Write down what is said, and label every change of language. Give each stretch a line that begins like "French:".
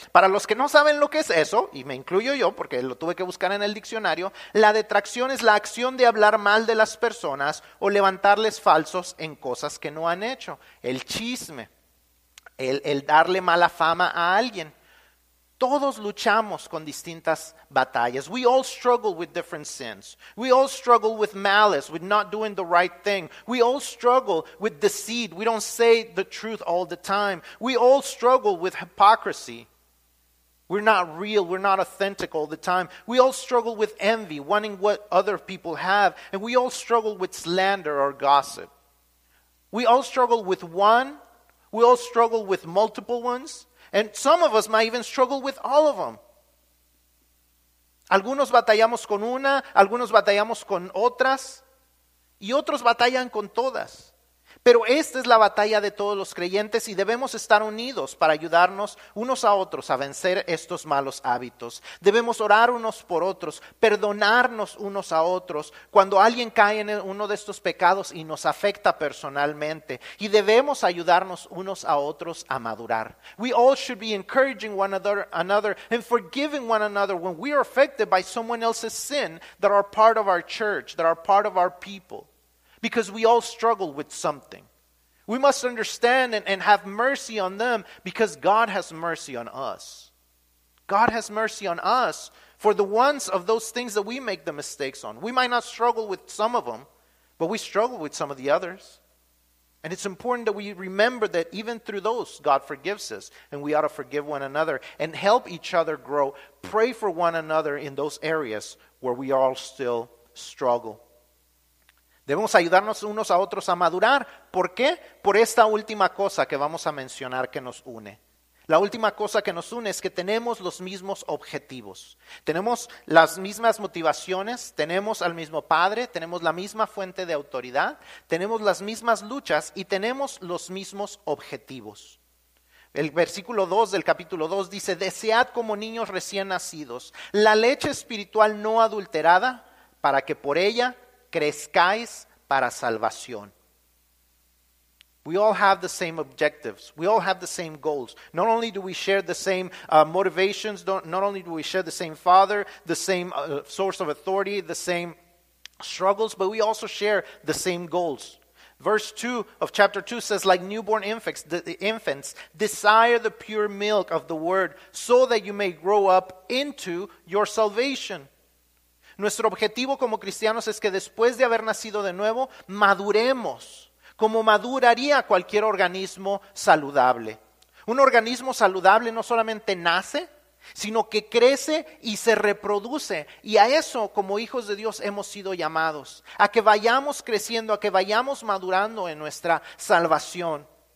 Spanish: Para los que no saben lo que es eso, y me incluyo yo porque lo tuve que buscar en el diccionario, la detracción es la acción de hablar mal de las personas o levantarles falsos en cosas que no han hecho. El chisme, el darle mala fama a alguien. Todos luchamos con distintas batallas.
English: We all struggle with different sins. We all struggle with malice, with not doing the right thing. We all struggle with deceit. We don't say the truth all the time. We all struggle with hypocrisy. We're not real. We're not authentic all the time. We all struggle with envy, wanting what other people have. And we all struggle with slander or gossip. We all struggle with one. We all struggle with multiple ones. And some of us might even struggle with all of them.
Spanish: Algunos batallamos con una, algunos batallamos con otras, y otros batallan con todas. Pero esta es la batalla de todos los creyentes y debemos estar unidos para ayudarnos unos a otros a vencer estos malos hábitos. Debemos orar unos por otros, perdonarnos unos a otros cuando alguien cae en uno de estos pecados y nos afecta personalmente. Y debemos ayudarnos unos a otros a madurar.
English: We all should be encouraging one another and forgiving one another when we are affected by someone else's sin that are part of our church, that are part of our people. Because we all struggle with something. We must understand and have mercy on them because God has mercy on us. God has mercy on us for the ones of those things that we make the mistakes on. We might not struggle with some of them, but we struggle with some of the others. And it's important that we remember that even through those, God forgives us. And we ought to forgive one another and help each other grow. Pray for one another in those areas where we all still struggle.
Spanish: Debemos ayudarnos unos a otros a madurar. ¿Por qué? Por esta última cosa que vamos a mencionar que nos une. La última cosa que nos une es que tenemos los mismos objetivos. Tenemos las mismas motivaciones, tenemos al mismo padre, tenemos la misma fuente de autoridad, tenemos las mismas luchas y tenemos los mismos objetivos. El versículo 2 del capítulo 2 dice, «Desead como niños recién nacidos la leche espiritual no adulterada para que por ella crezcáis para salvación».
English: We all have the same objectives. We all have the same goals. Not only do we share the same motivations, not only do we share the same father, the same source of authority, the same struggles, but we also share the same goals. Verse 2 of chapter 2 says, like newborn infants, the infants, desire the pure milk of the word so that you may grow up into your salvation.
Spanish: Nuestro objetivo como cristianos es que después de haber nacido de nuevo, maduremos como maduraría cualquier organismo saludable. Un organismo saludable no solamente nace, sino que crece y se reproduce. Y a eso, como hijos de Dios, hemos sido llamados. A que vayamos creciendo, a que vayamos madurando en nuestra salvación.